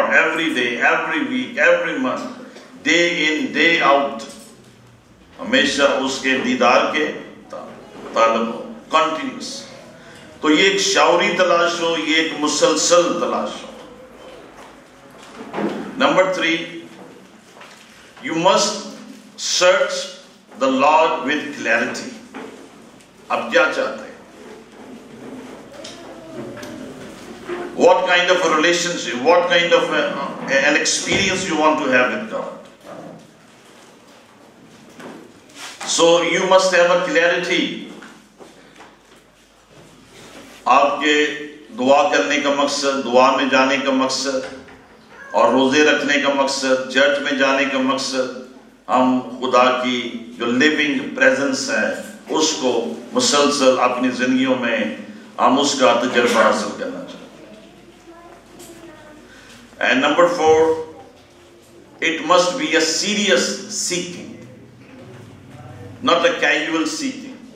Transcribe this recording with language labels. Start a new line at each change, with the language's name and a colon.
English: Every day, every hour, every week, every month, day in, day out.
Hindi: हमेशा उसके दीदार के तालिब।
English: Continuous.
Hindi: तो ये एक शौरी तलाश हो, ये एक मुसलसल तलाश हो।
English: Number three, you must search the Lord with clarity.
Hindi: Ab kya chahte?
English: What kind of a relationship, what kind of an experience you want to have with God? So you must have a clarity.
Hindi: आपके दुआ करने का मकसद, दुआ में जाने का मकसद और रोजे रखने का मकसद, चर्च में जाने का मकसद, हम खुदा की जो
English: living presence
Hindi: है उसको मुसलसल अपनी जिंदगियों में हम उसका तजर्बा हासिल करना चाहते हैं।
English: And number four, it must be a serious seeking, not a casual seeking.